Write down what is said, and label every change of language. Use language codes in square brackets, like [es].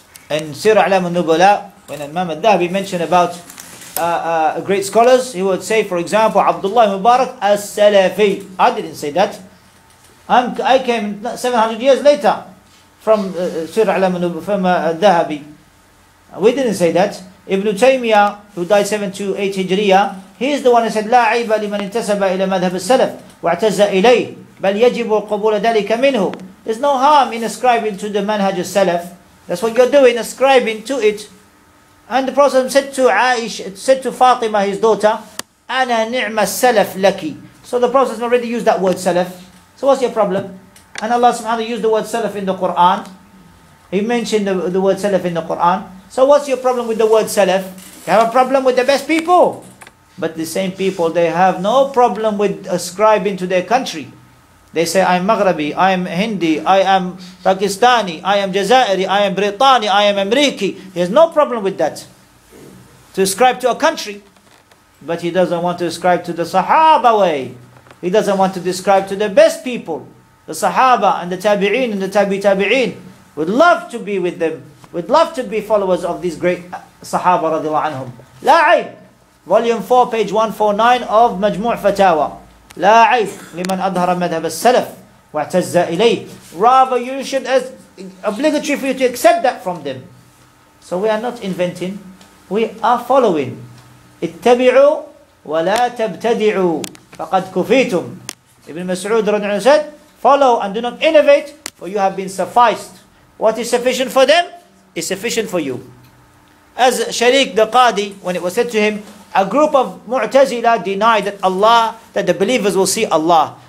[en] In Sir Alam al-Nubala, when Imam al-Dahabi mentioned about great scholars, he would say, for example, Abdullah Mubarak al-Salafi. I didn't say that. I came 700 years later from Sir Alam al-Dahabi. We didn't say that. Ibn Taymiyyah, who died 728 Hijriya, he is the one who said, [ar] لا عيب لمن انتسب إلى مذهب السلف واعتز إليه بل يجب قبول ذلك منه. [en] There's no harm in ascribing to the manhaj al-Salaf. That's what you're doing, ascribing to it. And the Prophet said to Aisha, said to Fatima, his daughter, [ar] "Ana ni'ma salaf laki." [en] So the Prophet already used that word salaf. So what's your problem? And Allah Subhanahu wa Taala used the word salaf in the Quran. He mentioned the word salaf in the Quran. So what's your problem with the word salaf? You have a problem with the best people. But the same people, they have no problem with ascribing to their country. They say, I am Maghrabi, I am Hindi, I am Pakistani, I am Jazairi, I am Britani, I am Amriki. He has no problem with that. To ascribe to a country. But he doesn't want to ascribe to the Sahaba way. He doesn't want to describe to the best people. The Sahaba and the Tabi'een and the Tabi Tabi'een. Would love to be with them. Would love to be followers of these great Sahaba radiallahu anhum. La'ib. Volume 4, page 149 of Majmu' Fatawa. [ar] لا عيب لمن أظهر مذهب السلف واعتز إليه. [en] Rather, you should, as obligatory for you to accept that from them. So we are not inventing, we are following. [ar] اتبعوا ولا تبتدعوا فقد كفيتم. [en] Ibn Mas'ud رضي الله عنه said, follow and do not innovate, for you have been sufficed. What is sufficient for them is sufficient for you. As Shariq the Qadi, when it was said to him, a group of Mu'tazila deny that Allah, that the believers will see Allah.